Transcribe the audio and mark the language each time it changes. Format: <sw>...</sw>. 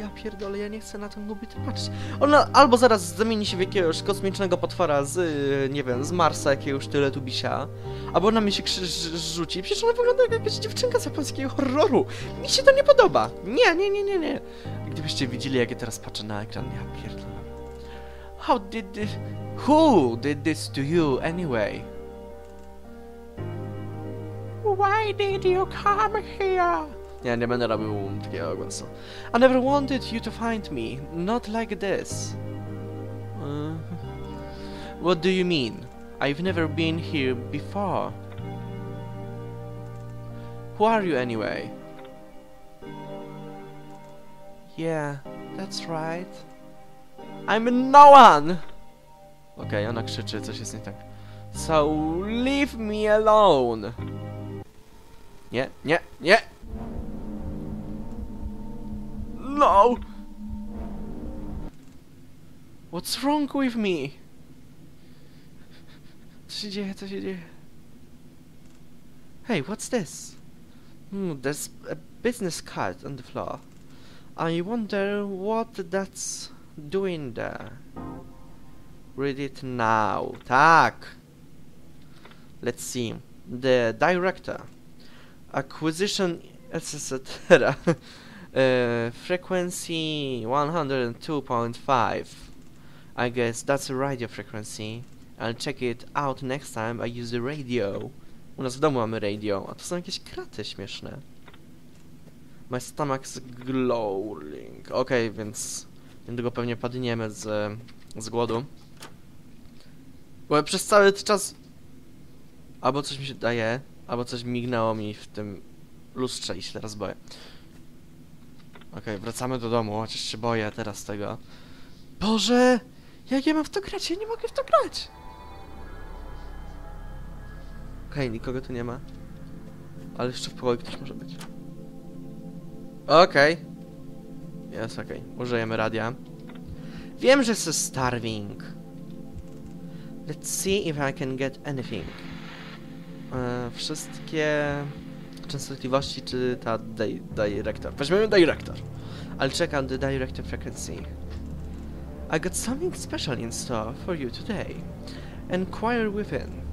<pl>Ja pierdolę, ja nie chcę na tę kobietę patrzeć. Ona albo zaraz zamieni się w jakiegoś kosmicznego potwora z, nie wiem, z Marsa, jakiegoś tyle tu bisia. Albo ona mi się rzuci. Przecież ona wygląda jak jakaś dziewczynka z japońskiego horroru. Mi się to nie podoba. Nie, nie, nie, nie, nie. Gdybyście widzieli, jak ja teraz patrzę na ekran, ja pierdolę.</pl> <en>How did this... Who did this to you, anyway? Why did you come here?</en> <pl>Nie, nie będę robił takiego głosu.</pl> <en>I never wanted you to find me. Not like this. What do you mean? I've never been here before. Who are you, anyway? Yeah, that's right. I'm no one!</en> <pl>Okej, ona krzyczy, coś jest nie tak.</pl> <en>So, leave me alone!</en> <pl>Nie, nie, nie!</pl> <en>No! What's wrong with me?</en> <pl>Co się dzieje, co się dzieje?</pl> <en>Hey, what's this? There's a business card on the floor. I wonder what that's doing there. Read it now.</en> <pl>Tak!</pl> <en>Let's see. The director. Acquisition, etc. frequency 102.5. I guess that's a radio frequency. I'll check it out next time I use the radio.</en> <pl>U nas w domu mamy radio. A to są jakieś kraty śmieszne.</pl> <en>My stomach's growling.</en> <pl>Okej, okay, więc niedługo pewnie padniemy z głodu. Bo przez cały czas albo coś mi się daje, albo coś mignęło mi w tym lustrze i się teraz boję. Okej, okay, wracamy do domu, chociaż się boję teraz tego. Boże! Jak ja mam w to grać? Ja nie mogę w to grać! Okej, okay, nikogo tu nie ma. Ale jeszcze w pokoju ktoś może być. Okej. Okay. Jest okej, okay. Użyjemy radia. Wiem, że jest starving.</pl> <en>Let's see if I can get anything.</en> <pl>Wszystkie częstotliwości, czy ta director. Weźmiemy director.</pl> <en>I'll check out the director frequency. I got something special in store for you today. Inquire within.</en>